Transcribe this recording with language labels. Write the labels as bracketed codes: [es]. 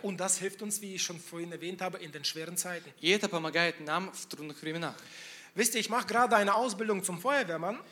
[de] Und das hilft uns, wie ich schon vorhin erwähnt habe, in den schweren Zeiten. [ru] И это помогает нам в трудных временах. [de] Wisst ihr, ich mache gerade eine Ausbildung zum Feuerwehrmann.